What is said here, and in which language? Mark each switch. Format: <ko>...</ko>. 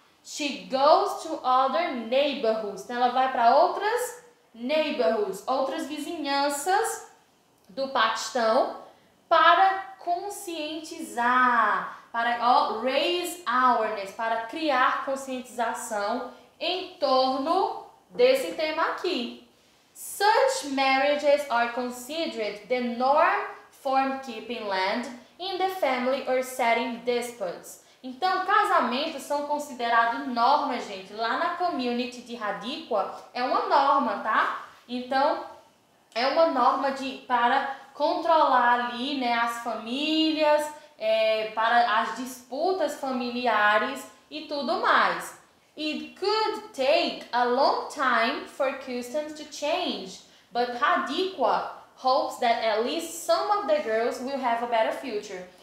<en>She goes to other neighborhoods.</en> <pt>Então, ela vai para outras neighborhoods, outras vizinhanças do Paquistão, para conscientizar, para ó,</pt> <en>raise awareness,</en> <pt>para criar conscientização em torno desse tema aqui.</pt> <en>Such marriages are considered the norm for keeping land in the family or setting disputes.</en> <pt>Então, casamentos são considerados normas, gente. Lá na community de Hadiqua, é uma norma, tá? Então, é uma norma de, para controlar ali, né, as famílias, é, para as disputas familiares e tudo mais.</pt> <en>It could take a long time for customs to change, but Hadiqua hopes that at least some of the girls will have a better future.</en>